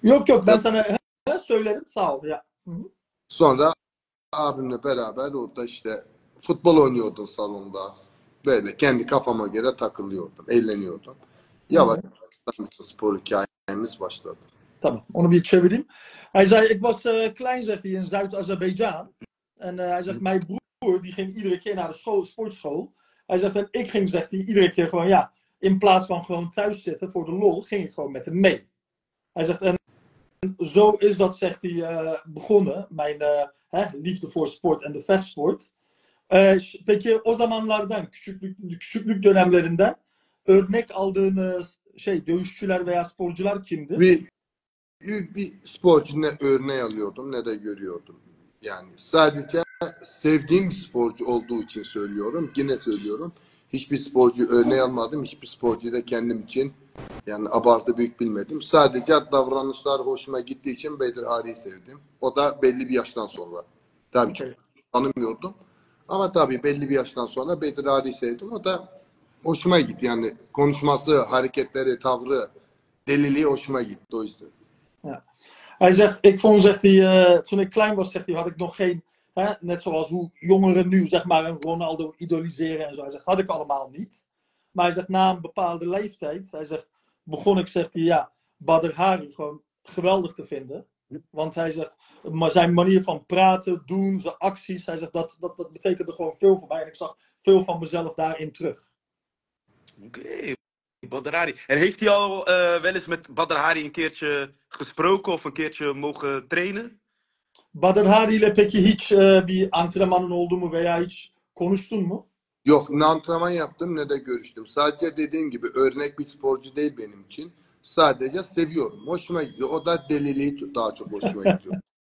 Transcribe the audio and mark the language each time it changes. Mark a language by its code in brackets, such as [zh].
[tr] Yok ben sana söylerim sağ ol ya. Sonra abimle beraber orada işte futbol oynuyordum salonda. Böyle kendi kafama göre takılıyordum, eğleniyordum. Yavaş spor hikayemiz başladı. Tamam, onu bir çevireyim. [nl] Hij zei ik was klein zegt hij in Zuid-Azerbeidzjan en hij zegt mijn broer die ging iedere keer naar de school sportschool. Hij zegt en ik ging zegt hij iedere keer gewoon ja. In plaats van gewoon thuis zitten voor de lol, ging ik gewoon met hem mee. Hij zegt, en zo is dat, zegt hij, begonnen. Mijn liefde voor sport en de vechtsport. [tr] Peki o zamanlardan, küçüklük dönemlerinden örnek aldığınız şey, dövüşçüler veya sporcular kimdi? Bir sporcu ne örneği alıyordum ne de görüyordum. Yani sadece sevdiğim sporcu olduğu için söylüyorum, yine söylüyorum. Hiçbir sporcu örneği almadım. Hiçbir sporcuyu da kendim için yani abartı büyük bilmedim. Sadece davranışlar hoşuma gittiği için Bedir Ali'yi sevdim. O da belli bir yaştan sonra. Tabii ki tanımıyordum. Ama tabii belli bir yaştan sonra Bedir Ali'yi sevdim. O da hoşuma gitti. Yani konuşması, hareketleri, tavrı, deliliği hoşuma gitti. O yüzden. [nl] Hij zegt, ik vond zegt hij toen ik klein was zegt hij had ik nog geen He, net zoals hoe jongeren nu zeg maar een Ronaldo idoliseren en zo. Hij zegt, had ik allemaal niet. Maar hij zegt, na een bepaalde leeftijd, hij zegt, begon ik, zegt hij, ja, Badr Hari gewoon geweldig te vinden. Want hij zegt, zijn manier van praten, doen, zijn acties, hij zegt, dat betekende gewoon veel voor mij. En ik zag veel van mezelf daarin terug. Oké, Badr Hari. En heeft hij al wel eens met Badr Hari een keertje gesproken of een keertje mogen trainen? [tr] Badr Hari ile peki hiç bir antrenmanın oldu mu veya hiç konuştun mu? Yok, ne antrenman yaptım ne de görüştüm. Sadece dediğim gibi örnek bir sporcu değil benim için. Sadece seviyorum. Hoşuma gidiyor. O da deliliği daha çok hoşuma gidiyor.